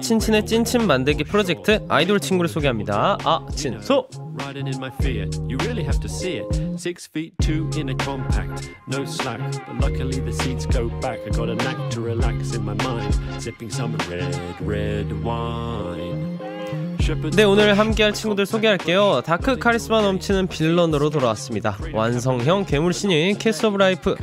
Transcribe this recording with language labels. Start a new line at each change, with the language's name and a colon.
Korean: 친친의 찐친 만들기 프로젝트 아이돌 친구를 소개합니다. 아, 친소.
English: Riding in my Fiat. You really have to see it. 6 feet 2 in a compact. No slack. But luckily the seats go back. I got a knack to relax in my mind. Sipping some red red wine.
Korean: 네, 오늘 함께할 친구들 소개할게요. 다크 카리스마 넘치는 빌런으로 돌아왔습니다. 완성형 괴물 신이 캐스 오브 라이프.